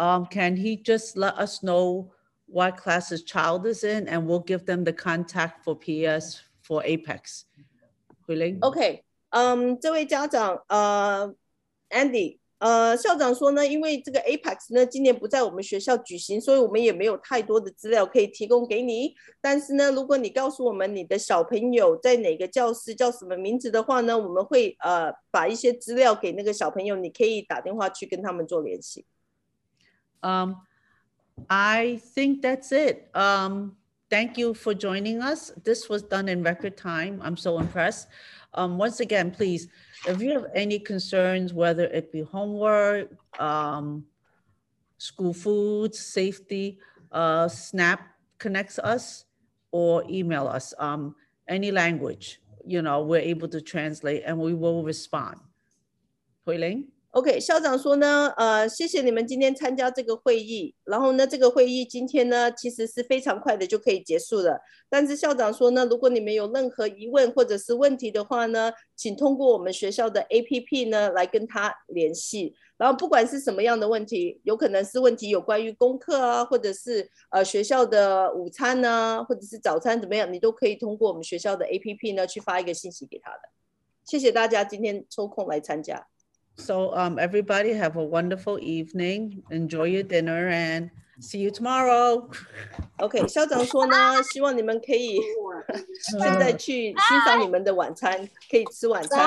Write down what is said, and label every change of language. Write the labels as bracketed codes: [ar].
[en] Can he just let us know what class his child is in, and we'll give them the contact for PS for Apex. Huiling? Okay. [zh] 这位家长，Andy， 校长说呢，因为这个 Apex 呢，今年不在我们学校举行，所以我们也没有太多的资料可以提供给你。但是呢，如果你告诉我们你的小朋友在哪个教室，叫什么名字的话呢，我们会把一些资料给那个小朋友，你可以打电话去跟他们做联系。 [en] I think that's it. Thank you for joining us. This was done in record time. I'm so impressed. Once again, please, if you have any concerns, whether it be homework, school food, safety, Snap connects us or email us, any language, you know, we're able to translate and we will respond. Huiling? [zh] OK， 校长说呢，谢谢你们今天参加这个会议。然后呢，这个会议今天呢，其实是非常快的就可以结束了。但是校长说呢，如果你们有任何疑问或者是问题的话呢，请通过我们学校的 APP 呢来跟他联系。然后不管是什么样的问题，有可能是问题有关于功课啊，或者是学校的午餐啊，或者是早餐怎么样，你都可以通过我们学校的 APP 呢去发一个信息给他的。谢谢大家今天抽空来参加。 [en] So everybody have a wonderful evening. Enjoy your dinner and see you tomorrow. [zh] Okay, 校长说呢，希望你们可以现在去欣赏你们的晚餐，可以吃晚餐。